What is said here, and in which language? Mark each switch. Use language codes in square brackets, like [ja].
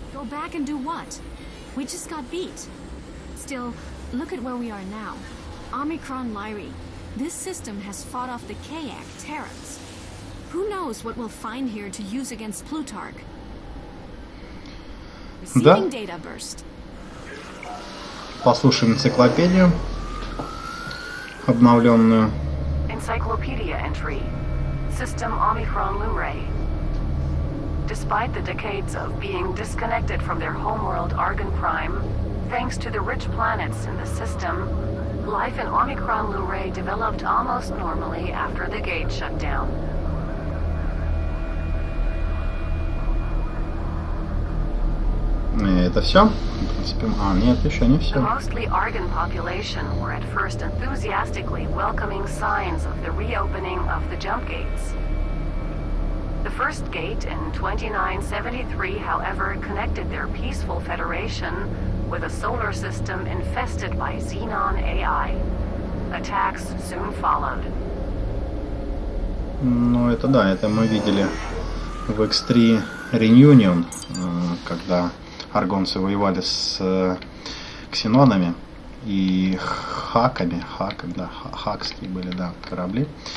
[en] Go back and do what? We just got beat. Still, look at where we are now. Omicron Lyrae. This system has fought off the Kayak Terrans. Who knows what we'll find here to use against Plutarch? [ru] Да? Послушаем энциклопедию обновленную. [en] Encyclopedia entry. System Omicron Lyrae. Despite the decades of being disconnected from their homeworld Argon Prime, thanks to the rich planets in the system, life in Omicron Lyrae developed almost normally after the gate shut down. [ru] Это все? В принципе, а, нет, еще не все. [en] The mostly Argon population were at first enthusiastically welcoming signs of the reopening of the jump gates. The first gate in 2973, however, connected their peaceful federation with a solar system infested by Xenon AI. Attacks soon followed. [ru] Ну, это да, это мы видели в X3 Reunion, когда аргонцы воевали с ксенонами и хакские были, да, корабли.